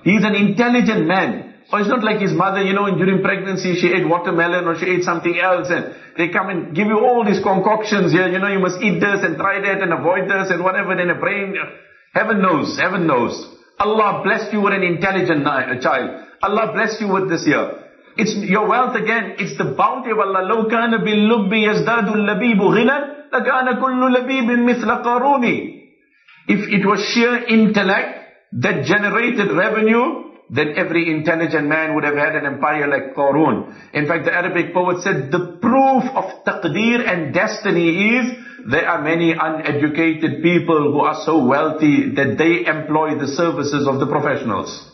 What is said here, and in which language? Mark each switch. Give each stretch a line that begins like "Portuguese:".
English: He's an intelligent man. Or it's not like his mother, you know, during pregnancy she ate watermelon or she ate something else, and they come and give you all these concoctions here, you know, you must eat this and try that and avoid this and whatever, then a brain. Heaven knows. Allah blessed you with an intelligent child. Allah blessed you with this year. It's your wealth again, it's the bounty of Allah.
Arabic: لو كان باللب يزداد اللبيب غنى لكان كل لبيب مثل قاروني.
English: If it was sheer intellect that generated revenue, then every intelligent man would have had an empire like Qarun. In fact, the Arabic poet said, the proof of taqdeer and destiny is, there are many uneducated people who are so wealthy that they employ the services of the professionals.